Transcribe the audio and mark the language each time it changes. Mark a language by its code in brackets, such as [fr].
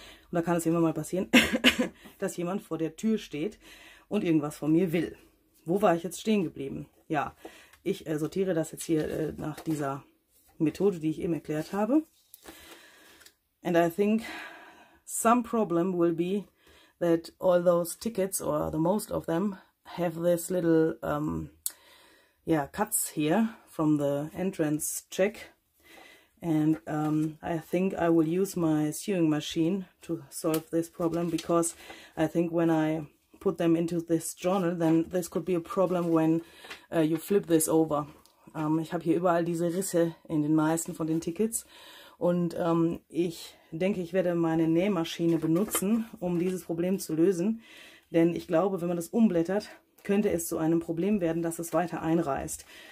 [de] Und da kann es immer mal passieren, dass jemand vor der Tür steht und irgendwas von mir will. Wo war ich jetzt stehen geblieben? Ja, ich sortiere das jetzt hier nach dieser Methode, die ich eben erklärt habe. [en] And I think some problem will be that all those tickets or the most of them have this little cuts here from the entrance check. And I think I will use my sewing machine to solve this problem, because I think when I put them into this journal, then this could be a problem when you flip this over. [de] Ich habe hier überall diese Risse in den meisten von den Tickets und ich denke, ich werde meine Nähmaschine benutzen, um dieses Problem zu lösen. Denn ich glaube, wenn man das umblättert, könnte es zu einem Problem werden, dass es weiter einreißt.